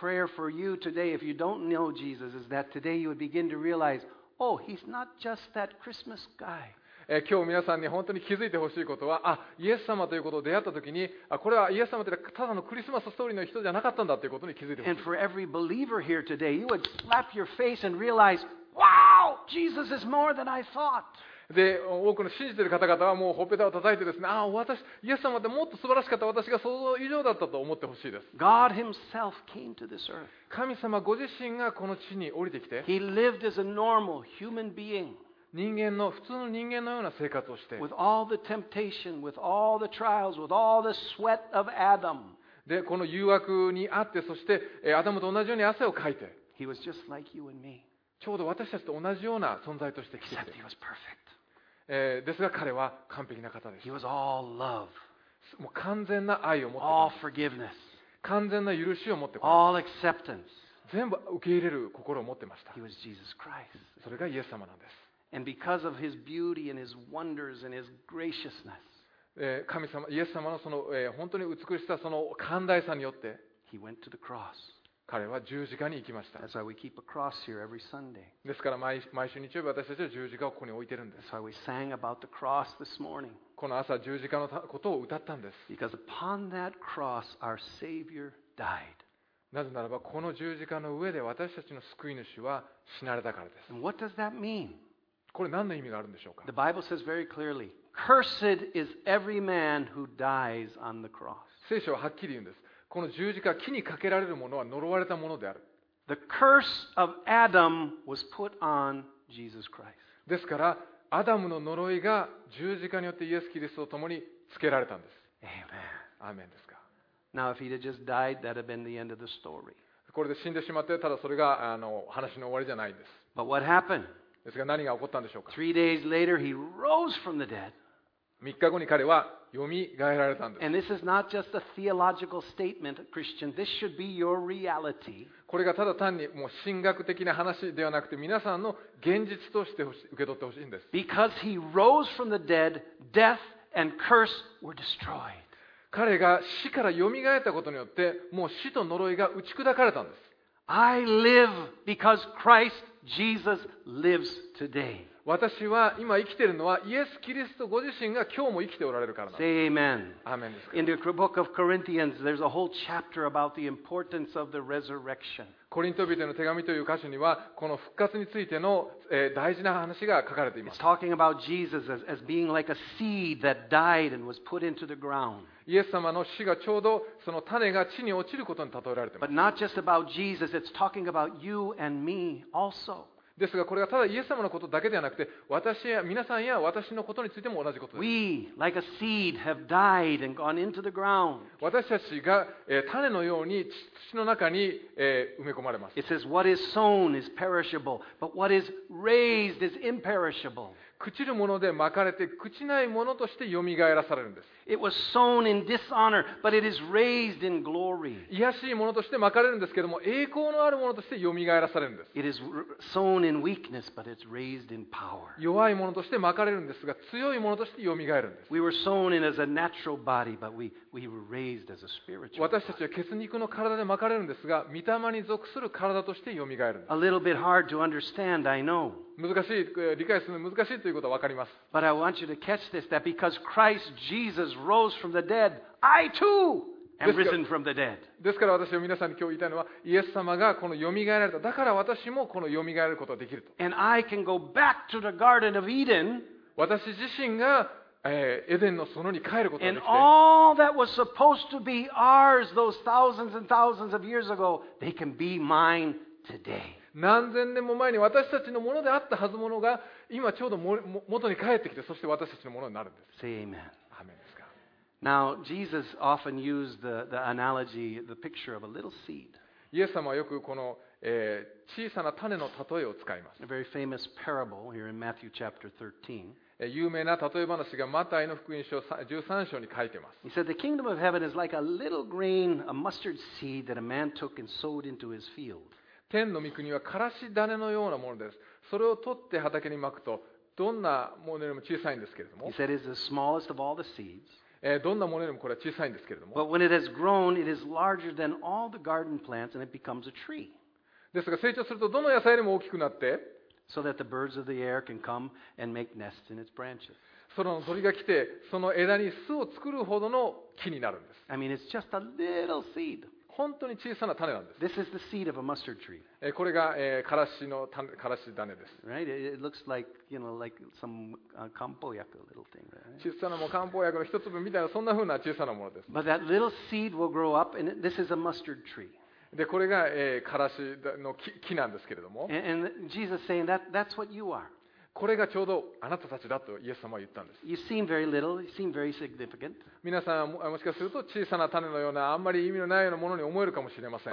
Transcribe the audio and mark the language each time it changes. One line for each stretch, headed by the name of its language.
English: My prayer for you today, if you don't know Jesus, is that today you would begin to realize, oh, he's not just that Christmas guy.
Japanese: 今日皆さんに本当に気づいてほしいことは、あ、イエス様ということを出会ったときに、あ、これはイエス様というのはただのクリスマスストーリーの人じゃなかったんだということに気づいてほしい。
English: And for every believer here today, you would slap your face and realize, wow, Jesus is more than I thought.
Japanese: で、多くの信じている方々はもうほっぺたを叩いてですね、あ、私、イエス様ってもっと素晴らしかった、私が想像以上だったと思ってほしいです。
English: God himself came to this earth.
Japanese: 神様ご自身がこの地に降りてきて、
English: He lived as a normal human being.
Japanese: 人間の普通の人間のような生活をして、
English: with all the temptation, with all the trials, with all the sweat of Adam.
Japanese: で、この誘惑にあって、そしてアダムと同じように汗をかいて、
English: he was just like you and me.
Japanese: ちょうど私たちと同じような存在として来てくれた。
English: Except he was perfect.
Japanese: ですが彼は完璧な方です。
English: He was all love.
Japanese: もう完全な愛を持って、
English: all forgiveness.
Japanese: 完全な許しを持って、
English: all acceptance.
Japanese: 全部受け入れる心を持ってました。
English: He was Jesus Christ.
Japanese: それがイエス様なんです。
English: And because of His beauty and His wonders and His graciousness,
Japanese: 神様、イエス様のその本当に美しさ、その寛大さによって、
English: He went to the cross.
Japanese: 彼は十字架に行きました。
English: That's why we keep a cross here every Sunday.
Japanese: ですから毎週日曜日私たちは十字架をここに置いてるんです。
English: That's why we sang about the cross this morning.
Japanese: この朝十字架のことを歌ったんです。
English: Because upon that cross, our Savior died.
Japanese: なぜならばこの十字架の上で私たちの救い主は死なれたからです。
English: And what does that mean?
Japanese: これ何の意味があるんでしょうか?
English: The Bible says very clearly, cursed is every man who dies on the cross.
Japanese: 聖書ははっきり言うんです。この十字架、木にかけられるものは呪われたものである。
English: The curse of Adam was put on Jesus Christ.
Japanese: ですから、アダムの呪いが十字架によってイエス・キリストと共につけられたんです。
English: Amen.
Japanese: アーメンですか。
English: Now, if he'd have just died, that'd have been the end of the story.
Japanese: これで死んでしまって、ただそれが話の終わりじゃないんです。
English: But what happened?
Japanese: ですが何が起こったんでしょうか。
English: Three days later, he rose from the dead.
Japanese: 3日後に彼はよみがえられたんです。
English: And this is not just a theological statement, Christian. This should be your reality.
Japanese: これがただ単にもう神学的な話ではなくて皆さんの現実として受け取ってほしいんです。
English: Because he rose from the dead, death and curse were destroyed.
Japanese: 彼が死からよみがえったことによってもう死と呪いが打ち砕かれたんです。
English: I live because Christ. Jesus lives today.
Japanese: 私は今生きているのはイエス・キリストご自身が今日も生きておられるからなんです。
English: Say amen.
Japanese: アーメンですか。
English: In the book of Corinthians, there's a whole chapter about the importance of the resurrection.
Japanese: コリント人への手紙という箇所にはこの復活についての大事な話が書かれています。
English: It's talking about Jesus as being like a seed that died and was put into the ground.
Japanese: イエス様の死がちょうどその種が地に落ちることに例えられています。
English: But not just about Jesus, it's talking about you and me also.
Japanese: ですがこれがただイエス様のことだけではなくて、私や皆さんや私のことについても同じことです。
English: We, like a seed, have died and gone into the ground.
Japanese: 私たちが種のように土の中に埋め込まれます。
English: It says, what is sown is perishable, but what is raised is imperishable.
Japanese: 朽ちるもので巻かれて朽ちないものとして蘇らされるんです。
English: It was sown in dishonor, but it is raised in glory.
Japanese: 卑しいものとして巻かれるんですけども、栄光のあるものとして蘇らされるんです。
English: It is sown in weakness, but it's raised in power.
Japanese: 弱いものとして巻かれるんですが、強いものとして蘇るんです。
English: We were sown in as a natural body, but we were raised as a spiritual body.
Japanese: 私たちは血肉の体で巻かれるんですが、御霊に属する体として蘇るんです。
English: A little bit hard to understand, I know.
Japanese: 難しい、理解するのが難しいということは分かります。
English: But I want you to catch this, that because Christ Jesus rose from the dead, I too am risen from the dead.
Japanese: ですから私は皆さんに今日言いたいのは、イエス様がこの蘇られた、だから私もこの蘇られることができると。
English: And I can go back to the Garden of Eden,
Japanese: 私自身が、エデンの園に帰ることができて、
English: and all that was supposed to be ours those thousands and thousands of years ago, they can be mine today.
Japanese: 何千年も前に私たちのものであったはずものが今ちょうど元に帰ってきてそして私たちのものになるんです。
English: Say amen.
Japanese: アーメンですか。
English: Now, Jesus often used the analogy, the picture of a little seed.
Japanese: イエス様はよくこの、小さな種の例えを使います。
English: A very famous parable here in Matthew chapter 13.
Japanese: 有名な例え話がマタイの福音書13章に書いてます。
English: He said, the kingdom of heaven is like a little grain, a mustard seed that a man took and sowed into his field.
Japanese: 天の御国はからし種のようなものです。それを取って畑にまくと、どんなものよりも小さいんですけれども。
English: He said it's the smallest of all the seeds.
Japanese: どんなものよりもこれは小さいんですけれども。
English: But when it has grown, it is larger than all the garden plants, and it becomes a tree.
Japanese: ですが成長するとどの野菜よりも大きくなって、
English: so that the birds of the air can come and make nests in its branches.
Japanese: その鳥が来て、その枝に巣を作るほどの木になるんです。
English: I mean, it's just a little seed.
Japanese: 本当に小さな種なんです。
English: This is the seed of a mustard tree.
Japanese: これが、からしの種、からし種です。
English: Right? It looks like, you know, like some, 漢方薬 little thing, right?
Japanese: 小さなも漢方薬の一粒みたいな、そんな風な小さなものです。
English: But that little seed will grow up, and this is a mustard tree.
Japanese: で、これが、からしの 木なんですけれども。
English: And Jesus is saying that that's what you are.
Japanese: これがちょうどあなたたちだとイエス様は言ったんです。
English: You seem very little, you seem very significant.
Japanese: 皆さんもしかすると小さな種のようなあんまり意味のないようなものに思えるかもしれません。